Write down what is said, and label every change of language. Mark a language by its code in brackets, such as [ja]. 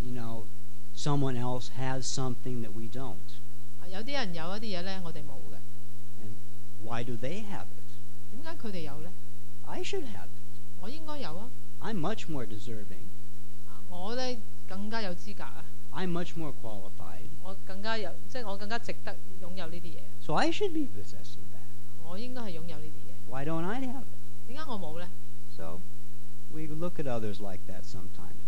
[en] you know, someone else has something that we don't. [zh] 有些人有一些東西我們沒有的。 [en] And why do they have it? [zh] 為什麼他們有呢? [en] I should have it. [zh] 我應該有啊。 [en] I'm much more deserving. [zh] 我呢,更加有資格啊。 [en] I'm much more qualified. [zh] 我更加值得擁有這些東西。 [en] So I should be possessing that. [zh] 我應該是擁有這些東西。 [en] Why don't I have it? [zh] 為什麼我沒有呢? [en] So we look at others like that sometimes.